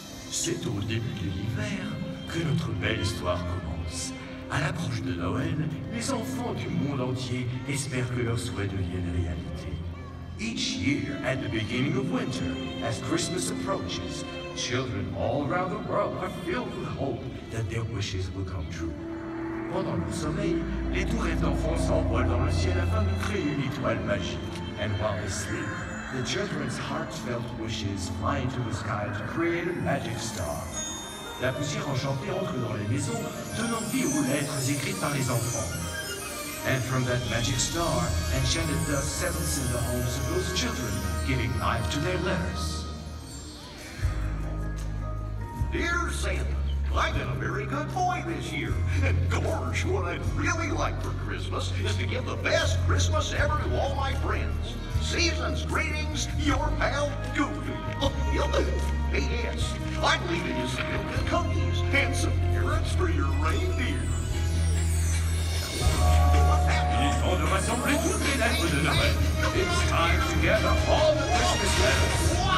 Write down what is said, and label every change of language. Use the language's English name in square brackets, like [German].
[French] C'est au début de l'hiver que notre belle histoire commence. À l'approche de Noël, les enfants du monde entier espèrent que leurs souhaits deviennent réalité. [English] Each year, at the beginning of winter, as Christmas approaches, children all around the world are filled with hope that their wishes will come true. [French] Pendant le sommeil, les doux rêves d'enfants s'envolent dans le ciel afin de créer une étoile magique. [English] And while they sleep, the children's heartfelt wishes fly into the sky to create a magic star. [French] La poussière enchantée entre dans les maisons, donnant vie aux lettres écrites par les enfants. [English] And from that magic star, enchanted dust settles in the homes of those children, giving life to their letters. Dear Santa, I've been a very good boy this year. And gosh, what I'd really like for Christmas is to give the best Christmas ever to all my friends. Season's greetings, your pal Goofy. P.S. I'm leaving you some milk and cookies and some carrots for your reindeer. [French] Il est temps de rassembler toutes les lettres de Noël. [English] It's time to gather all the Christmas letters.